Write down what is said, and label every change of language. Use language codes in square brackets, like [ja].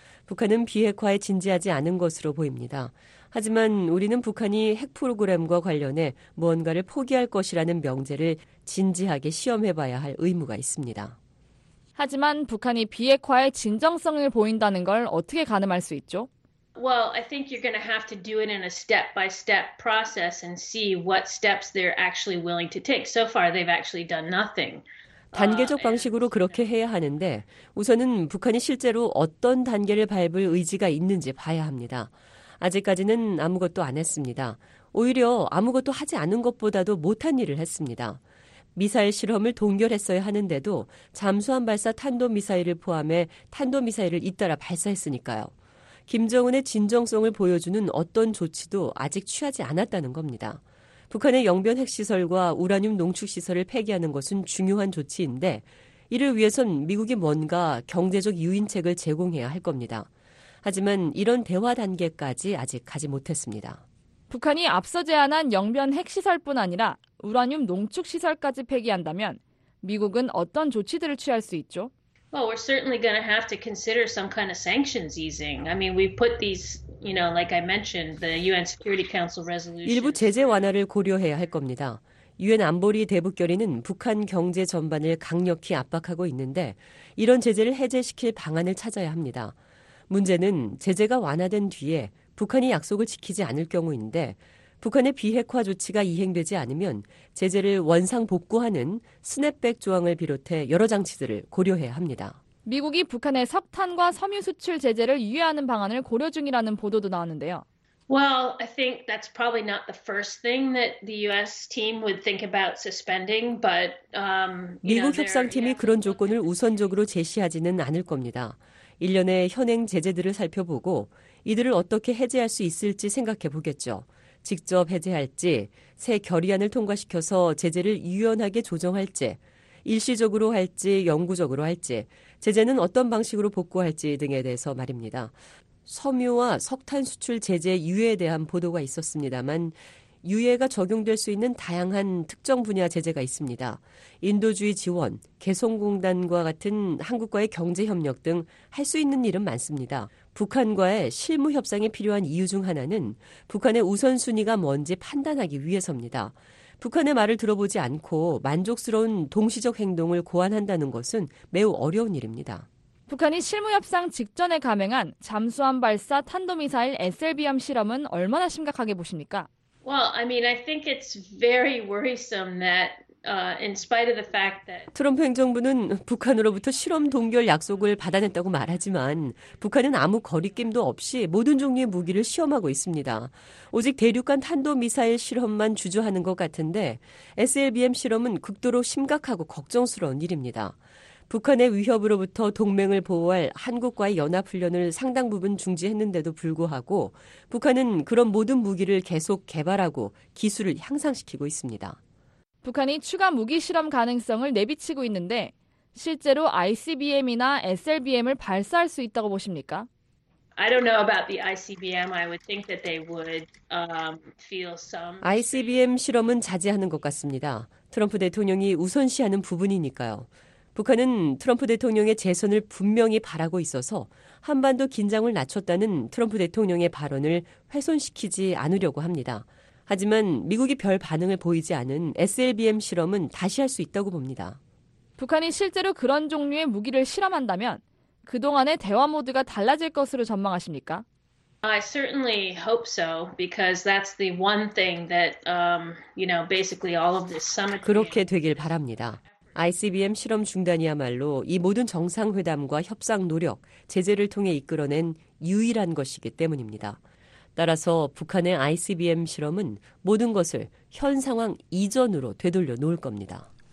[ko] 북한은 비핵화에 진지하지 않은 것으로 보입니다. 하지만 우리는 북한이 핵 프로그램과 관련해 무언가를 포기할 것이라는 명제를 진지하게 시험해봐야 할 의무가 있습니다. 하지만 북한이 비핵화의 진정성을 보인다는 걸 어떻게 가늠할 수 있죠? [en] Well, I think you're going to have to do it in a step-by-step process and see what steps they're actually willing to take. So far, they've actually done nothing. [ko] 단계적 방식으로 그렇게 해야 하는데 우선은 북한이 실제로 어떤 단계를 밟을 의지가 있는지 봐야 합니다. 아직까지는 아무것도 안 했습니다. 오히려 아무것도 하지 않은 것보다도 못한 일을 했습니다. 미사일 실험을 동결했어야 하는데도 잠수함 발사 탄도미사일을 포함해 탄도미사일을 잇따라 발사했으니까요. 김정은의 진정성을 보여주는 어떤 조치도 아직 취하지 않았다는 겁니다. 북한의 영변 핵시설과 우라늄 농축시설을 폐기하는 것은 중요한 조치인데 이를 위해선 미국이 뭔가 경제적 유인책을 제공해야 할 겁니다. 하지만 이런 대화 단계까지 아직 가지 못했습니다. 북한이 앞서 제안한 영변 핵시설뿐 아니라 우라늄 농축시설까지 폐기한다면 미국은 어떤 조치들을 취할 수 있죠? [en] Well, we're certainly going to have to consider some kind of sanctions easing. I mean, we put these, you know, like I mentioned, the UN Security Council resolution. [ko] 일부 제재 완화를 고려해야 할 겁니다. 유엔 안보리 대북 결의는 북한 경제 전반을 강력히 압박하고 있는데 이런 제재를 해제시킬 방안을 찾아야 합니다. 문제는 제재가 완화된 뒤에 북한이 약속을 지키지 않을 경우인데 북한의 비핵화 조치가 이행되지 않으면 제재를 원상 복구하는 스냅백 조항을 비롯해 여러 장치들을 고려해야 합니다. 미국이 북한의 석탄과 섬유 수출 제재를 유예하는 방안을 고려 중이라는 보도도 나왔는데요. [en] Well, I think that's probably not the first thing that the US team would think about suspending, but [ko] 미국 협상팀이 그런 조건을 우선적으로 제시하지는 않을 겁니다. 일련의 현행 제재들을 살펴보고 이들을 어떻게 해제할 수 있을지 생각해 보겠죠. 직접 해제할지, 새 결의안을 통과시켜서 제재를 유연하게 조정할지, 일시적으로 할지, 영구적으로 할지, 제재는 어떤 방식으로 복구할지 등에 대해서 말입니다. 섬유와 석탄 수출 제재 유예에 대한 보도가 있었습니다만 유예가 적용될 수 있는 다양한 특정 분야 제재가 있습니다. 인도주의 지원, 개성공단과 같은 한국과의 경제협력 등 할 수 있는 일은 많습니다. 북한과의 실무 협상이 필요한 이유 중 하나는 북한의 우선순위가 뭔지 판단하기 위해서입니다. 북한의 말을 들어보지 않고 만족스러운 동시적 행동을 고안한다는 것은 매우 어려운 일입니다. 북한이 실무 협상 직전에 감행한 잠수함 발사 탄도미사일 SLBM 실험은 얼마나 심각하게 보십니까? [en] Well, I mean, I think it's very worrisome that in spite of the fact that [ko] 트럼프 행정부는 북한으로부터 실험 동결 약속을 받아냈다고 말하지만 북한은 아무 거리낌도 없이 모든 종류의 무기를 시험하고 있습니다. 오직 대륙간 탄도 미사일 실험만 주저하는 것 같은데 SLBM 실험은 극도로 심각하고 걱정스러운 일입니다. 북한의 위협으로부터 동맹을 보호할 한국과의 연합훈련을 상당 부분 중지했는데도 불구하고 북한은 그런 모든 무기를 계속 개발하고 기술을 향상시키고 있습니다. 북한이 추가 무기 실험 가능성을 내비치고 있는데 실제로 ICBM이나 SLBM을 발사할 수 있다고 보십니까? [en] I don't know about the ICBM. I would think that they would feel some [ko] ICBM 실험은 자제하는 것 같습니다. 트럼프 대통령이 우선시하는 부분이니까요. 북한은 트럼프 대통령의 재선을 분명히 바라고 있어서 한반도 긴장을 낮췄다는 트럼프 대통령의 발언을 훼손시키지 않으려고 합니다. 하지만 미국이 별 반응을 보이지 않은 SLBM 실험은 다시 할 수 있다고 봅니다. 북한이 실제로 그런 종류의 무기를 실험한다면 그동안의 대화 모드가 달라질 것으로 전망하십니까? [en] I certainly hope so because that's the one thing that you know basically all of this summit [ko] 그렇게 되길 바랍니다. ICBM 실험 중단이야말로 이 모든 정상회담과 협상 노력, 제재를 통해 이끌어낸 유일한 것이기 때문입니다. 따라서 북한의 ICBM 실험은 모든 것을 현 상황 이전으로 되돌려 놓을 겁니다.